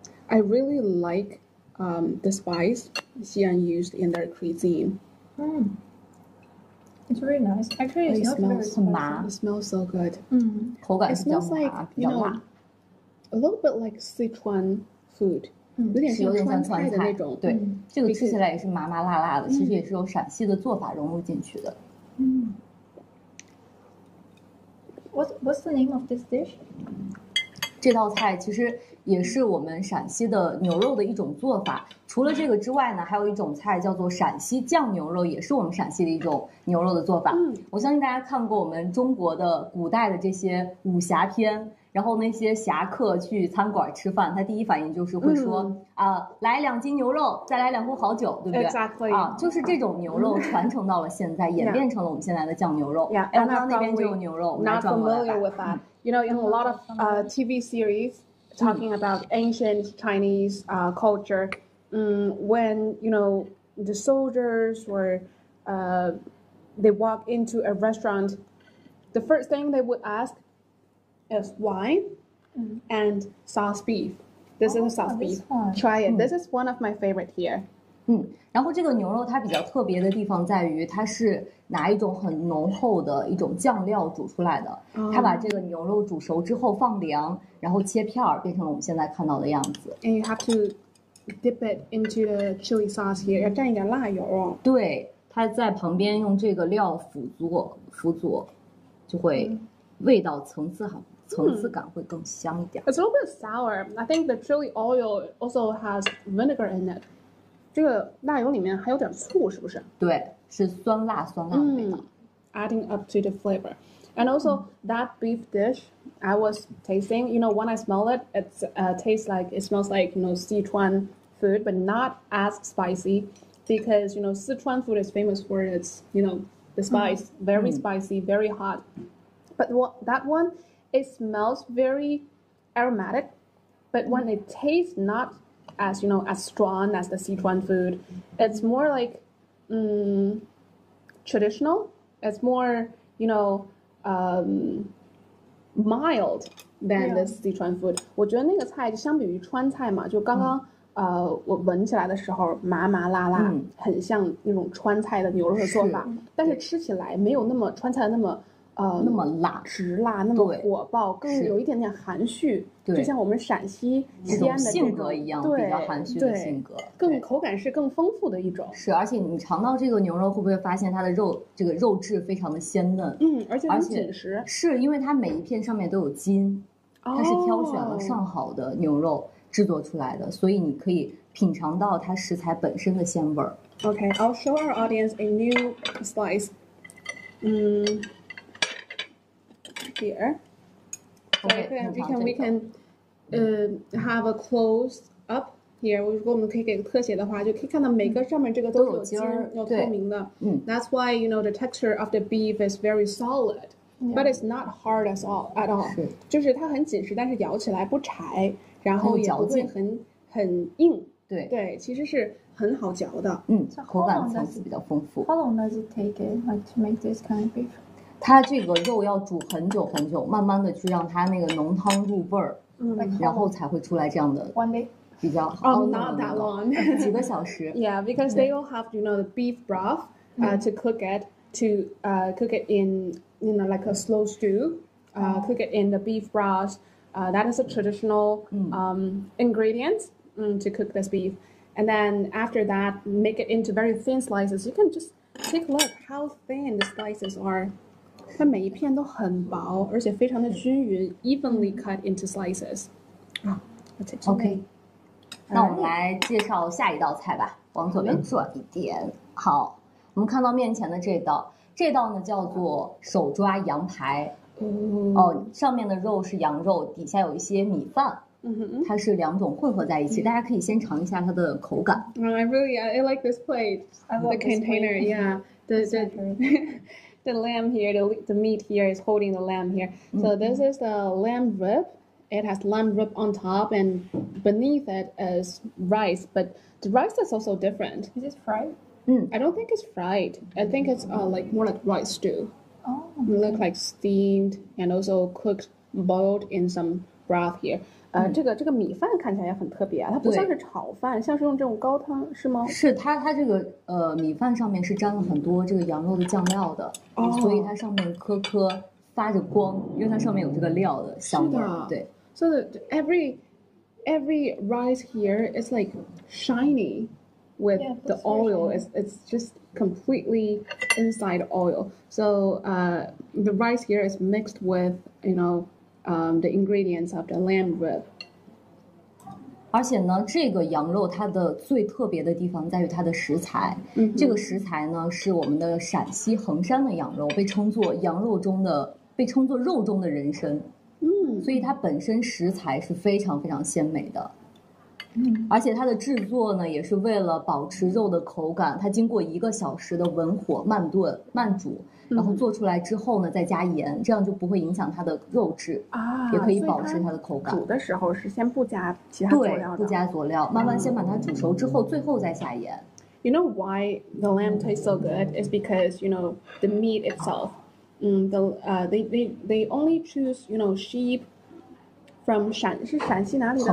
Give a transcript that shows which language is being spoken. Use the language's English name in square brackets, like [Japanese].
[English] I really like the spice Xi'an used in their cuisine. It's really nice. Actually, it's smells very spicy. It smells so good. Mm. [Chinese] 口感是比较麻, [English] it smells like, you know, a little bit like Sichuan food. [Chinese] 有点像川菜的那种，对，这个吃起来也是麻麻辣辣的，其实也是有陕西的做法融入进去的。嗯。 [English] What's the name of this dish? [Chinese] 这道菜其实也是我们陕西的牛肉的一种做法。除了这个之外呢，还有一种菜叫做陕西酱牛肉，也是我们陕西的一种牛肉的做法。嗯。我相信大家看过我们中国的古代的这些武侠片。然后那些侠客去餐馆吃饭，他第一反应就是会说啊，来两斤牛肉，再来两壶好酒，对不对？ [English] Exactly. [Chinese] 啊，就是这种牛肉传承到了现在，演变成了我们现在的酱牛肉。 [English] Yeah, [Chinese] 哎，我刚那边就有牛肉，我们来转过来吧。 [English] Not familiar with that. You know, in a lot of TV series talking about ancient Chinese culture, when you know the soldiers were they walk into a restaurant, the first thing they would ask. Is wine and sauce beef. This is a sauce beef. Try it. This is one of my favorite here. [Chinese] 嗯，然后这个牛肉它比较特别的地方在于，它是拿一种很浓厚的一种酱料煮出来的。它把这个牛肉煮熟之后放凉，然后切片儿，变成了我们现在看到的样子。 [English] And you have to dip it into the chili sauce here. [Chinese] 要蘸一点辣油哦。对，它在旁边用这个料辅佐，就会。味道层次好，层次感会更香一点。 [English] It's a little bit sour. I think the chili oil also has vinegar in it. [Chinese] 这个辣油里面还有点醋，是不是？对，是酸辣的味道。 [English] Adding up to the flavor. And also, that beef dish I was tasting, you know, when I smell it, it smells like, you know, Sichuan food, but not as spicy. Because, you know, Sichuan food is famous for its, you know, the spice, very spicy, very hot. But that one, it smells very aromatic, but when it tastes not as, you know, as strong as the Sichuan food, it's more like traditional. It's more, you know, mild than the Sichuan food. [Chinese] 我觉得那个菜就相比于川菜嘛，就刚刚我闻起来的时候麻麻辣辣，很像那种川菜的牛肉的做法，但是吃起来没有那么川菜的那么。那么辣，直辣，那么火爆，更有一点点含蓄，对，就像我们陕西西安的种性格一样，对，比较含蓄的性格，更口感是更丰富的一种。是，而且你尝到这个牛肉，会不会发现它的肉这个肉质非常的鲜嫩？嗯，而且很紧实，是因为它每一片上面都有筋，它是挑选了上好的牛肉制作出来的，所以你可以品尝到它食材本身的鲜味。 [English] Okay, I'll show our audience a new slice. Here, so we can have a close up here. [Chinese] 如果我们可以给个特写的话，就可以看到每个上面这个都有筋，有透明的。嗯 [English] ，That's why you know the texture of the beef is very solid, but it's not hard at all. [Chinese] 是，就是它很紧实，但是咬起来不柴，然后也不会很硬。对，其实是很好嚼的。嗯，口感层次比较丰富。 [English] How long does it take it like to make this kind of beef? [Chinese] 它这个肉要煮很久很久，慢慢的去让它那个浓汤入味儿，然后才会出来这样的。比较好。 [English] Oh, not that long. [Chinese] 几个小时。 [English] Yeah, because they will have, you know, the beef broth, to cook it, to cook it in, you know, like a slow stew, cook it in the beef broth. That is a traditional, ingredient, to cook this beef. And then after that, make it into very thin slices. You can just take a look how thin the slices are. [Chinese] 它每一片都很薄，而且非常的均匀 ， [English] evenly cut into slices. [Chinese] OK， 那我们来介绍下一道菜吧，往左边转一点。好，我们看到面前的这道呢叫做手抓羊排。上面的肉是羊肉，底下有一些米饭。它是两种混合在一起，大家可以先尝一下它的口感。 [English] I really I like this plate. I love the container. Yeah, The lamb here, the meat here is holding the lamb here. So this is the lamb rib. It has lamb rib on top, and beneath it is rice. But the rice is also different. Is it fried? I don't think it's fried. I think it's like more like rice stew. Oh, okay. It looks like steamed and also cooked, boiled in some broth here. [Chinese] 这个米饭看起来也很特别啊，它不像是炒饭，像是用这种高汤是吗？是它这个米饭上面是沾了很多这个羊肉的酱料的，哦、所以它上面颗颗发着光，因为它上面有这个料的香味。对 [English] ，so every rice here is like shiny with the oil. It's just completely inside oil. So the rice here is mixed with the ingredients of the lamb rib. [Chinese] 而且呢，这个羊肉它的最特别的地方在于它的食材。 Mm-hmm. 这个食材呢是我们的陕西横山的羊肉，被称作肉中的人参。嗯、mm-hmm. ，所以它本身食材是非常非常鲜美的。嗯、mm-hmm. ，而且它的制作呢也是为了保持肉的口感，它经过一个小时的文火慢炖慢煮。然后做出来之后呢再加盐，这样就不会影响它的肉质啊，也可以保持它的口感。煮的时候是先不加其他佐料的，对，不加佐料，慢慢先把它煮熟之后最后再下盐。 [English] You know why the lamb tastes so good is because you know the meat itself they only choose you know sheep from [Chinese] 陕西哪里的